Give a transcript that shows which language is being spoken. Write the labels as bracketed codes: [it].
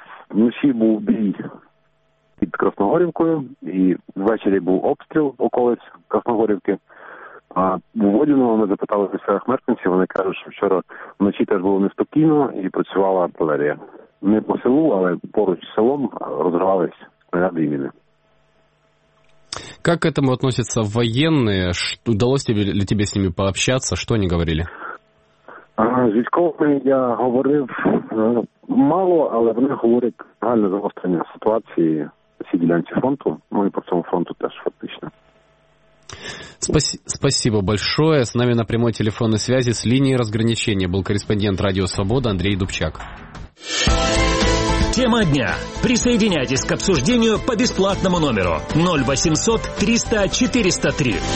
[uk] Вночі був бій під Красногорівкою, і ввечері був обстріл околиць Красногорівки. А у Водяного ми запитали місцевих мешканців, вони кажуть, що вчора вночі теж було неспокійно і працювала артилерія. Не по селу, але поруч з селом розривались снаряди і міни. [ru] Как к этому относятся военные? Удалось тебе, ли тебе с ними пообщаться? Что они говорили? [uk] З військовими я говорив мало, але вони говорять загальне загострення ситуації на цій ділянці фронту, ну і по цьому фронту теж фактично. [ru] Спасибо большое. С нами на прямой телефонной связи с линии разграничения был корреспондент Радио Свобода Андрей Дубчак. Тема дня. Присоединяйтесь к обсуждению по бесплатному номеру 0800 300 403.